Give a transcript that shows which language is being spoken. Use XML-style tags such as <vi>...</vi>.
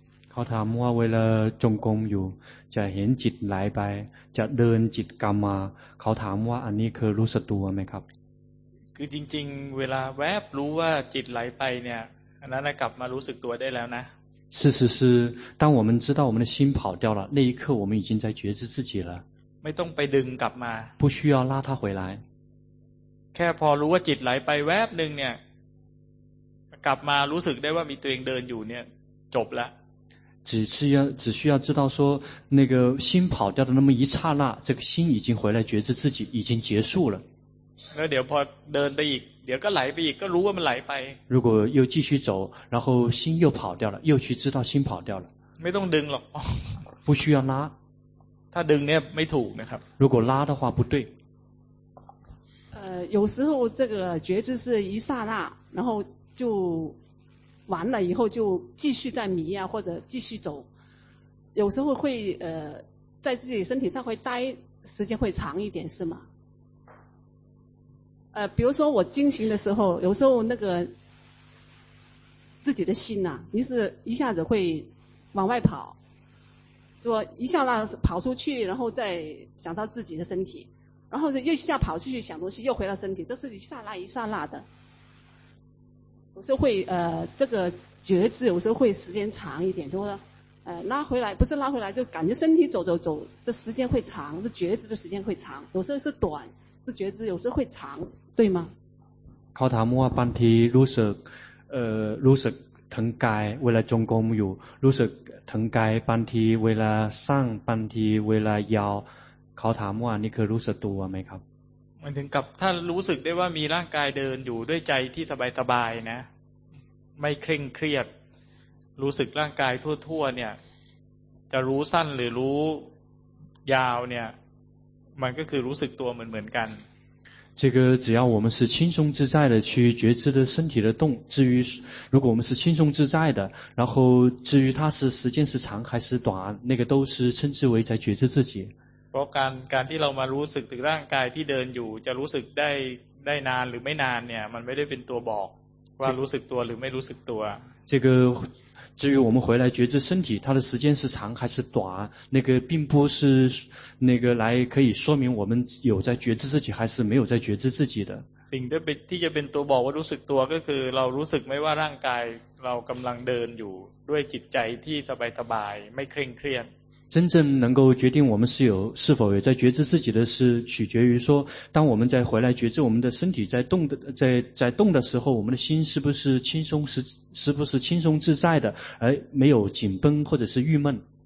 <th>เขาถามว่าเวลาจงกรมอยู่จะเห็นจิตไหลไปจะเดินจิตกรรมมาเขาถามว่าอันนี้คือรู้สึกตัวไหมครับ คือจริงๆเวลาแวบรู้ว่าจิตไหลไปเนี่ยอันนั้นกลับมารู้สึกตัวได้แล้วนะ</th> <zh>事实是当我们知道我们的心跑掉了那一刻我们已经在觉知自己了</zh> <th>ไม่ต้องไปดึงกลับมา</th> <zh>不需要拉他回来</zh> <th>แค่พอรู้ว่าจิตไหลไปแวบหนึ่งเนี่ยกลับมารู้สึกได้ว่ามีตัวเองเดินอยู่เนี่ยจบละ</th> <zh>只需要知道说那个心跑掉的那么一刹那这个心已经回来觉知自己已经结束了</zh> <th>แล้วเดี๋ยวพอเดินไปอีกเดี๋ยวก็ไหลไปอีกก็รู้ว่ามันไหลไป</th> <zh>如果又继续走然后心又跑掉了又去知道心跑掉了</zh> <th>ไม่ต้องดึงหรอก</th> <zh>不需要拉</zh> <th>ถ้าดึงเนี่ยไม่ถูกนะครับ</th> <zh>如果拉的话不对有时候这个觉知是一刹那然后就完了以后就继续在迷啊或者继续走有时候会在自己身体上会待时间会长一点是吗比如说我惊醒的时候有时候那个自己的心啊你是一下子会往外跑说一下那跑出去然后再想到自己的身体然后又一下跑出去想东西又回到身体这是一刹那一刹那的有时候会这个觉知有时候会时间长一点就说拉回来不是拉回来就感觉身体走走走的时间会长这觉知的时间会长有时候是短这觉知有时候会长对吗</zh> <th>เขาถามว่าบางทีรู้สึกรู้สึกถึงกายเวลาจงกรมอยู่รู้สึกถึงกายบางทีเวลาสร้างบางทีเวลายาวเขาถามว่านี่คือรู้สึกตัวไหมครับ มันถึงกับถ้ารู้สึกได้ว่ามีร่างกายเดินอยู่ด้วยใจที่สบายๆนะไม่เคร่งเครียดรู้สึกร่างกายทั่วๆเนี่ยจะรู้สั้นหรือรู้ยาวเนี่ยมันก็คือรู้สึกตัวเหมือนกัน</th> <zh>这个只要我们是轻松自在的去觉知的身体的动至于如果我们是轻松自在的然后至于它是时间是长还是短那个都是称之为在觉知自己</zh> <th>เพราะการที่เรามารู้สึกถึงร่างกายที่เดินอยู่จะรู้สึกได้นานหรือไม่นานเนี่ยมันไม่ได้เป็นตัวบอกว่ารู้สึกตัวหรือไม่รู้สึกตัว</th> <zh>这个至于我们回来觉知身体它的时间是长还是短那个并不是那个来可以说明我们有在觉知自己还是没有在觉知自己的</zh> <th>สิ่งที่จะเป็นตัวบอกว่ารู้สึกตัวก็คือเรารู้สึกไม่ว่าร่างกายเรากำลังเดินอยู่ด้วยจิตใจที่สบายไม่เคร่งเครียด</th> <zh>真正能够决定我们是否有在觉知自己的是取决于说当我们在回来觉知我们的身体在动的时候我们的心是不是轻松是不是轻松自在的而没有紧绷或者是郁闷</zh>